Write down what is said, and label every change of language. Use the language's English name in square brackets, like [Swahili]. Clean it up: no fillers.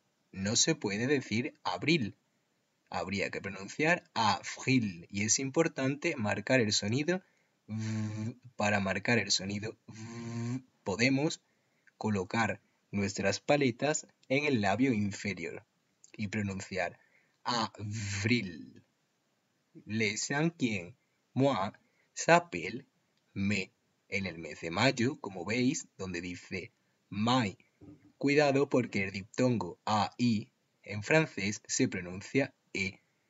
[Spanish] No se puede decir abril. Habría que pronunciar avril y es importante marcar el sonido v. Para marcar el sonido v, podemos colocar nuestras paletas en el labio inferior y pronunciar avril. [French] Le cinquième mois s'appelle mai. [Spanish] En el mes de mayo, como veis, donde dice mai, cuidado porque el diptongo ai en francés se pronuncia e.